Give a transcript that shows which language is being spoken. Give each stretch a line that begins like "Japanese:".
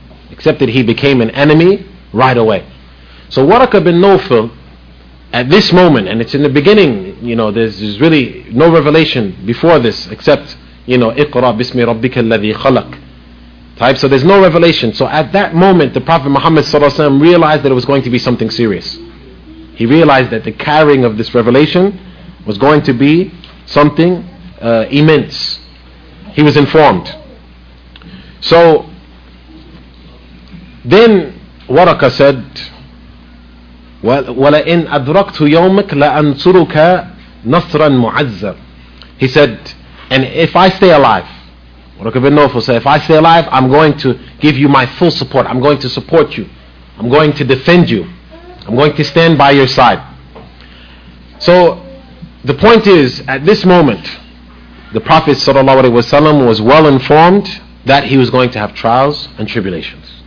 English: Except that he became an enemy right away. So Waraqa bin Nawfal, at this moment, and it's in the beginning, you know, there's really no revelation before this, except, you know,
Arabic: اقرأ بسم ربك الذي خلق
English: type. So there's no revelation. So at that moment, the Prophet Muhammad ﷺ realized that it was going to be something serious. He realized that the carrying of this revelation was going to be something immense. He was informed. So then Waraqa said,
Arabic: "وَلَئِنْ أَدْرَكْتُ يَوْمَكْ لَأَنْصُرُكَ نَصْرًا مُعَزَّرًا."
English: He said, "And if I stay alive," Waraqa bin Nawfal said, "if I stay alive, I'm going to give you my full support. I'm going to support you. I'm going to defend you. I'm going to stand by your side." So the point is, at this moment, the Prophet ﷺ was well informed that he was going to have trials and tribulations.